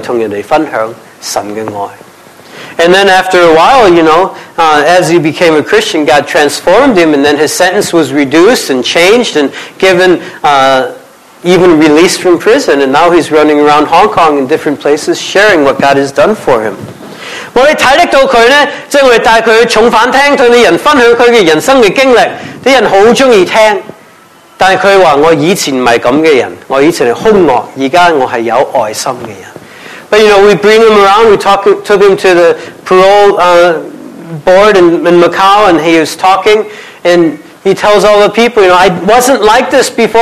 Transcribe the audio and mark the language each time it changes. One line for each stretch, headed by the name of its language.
Chinese: 跟住他很奇妙的，他终身監禁，变成有期徒刑，就变成信耶稣继续改变，现在就出了监，在香港周围跟人家分享神的爱。
English: And then after a while, you know, as he became a Christian, God transformed him, and then his sentence was reduced and changed and given even released from prison, and now he's running around Hong Kong in different places sharing what God has done for him.
Chinese: 我们看到他，就是带他重返厅，跟人分享他的人生的经历，人很喜欢听，但他说我以前不是这样的人，我以前是凶恶，现在我是有爱心的人。But
English: you know, we bring him around, we took him to the parole board in Macau, and he was talking, and he tells all the people, you know, I wasn't like this before.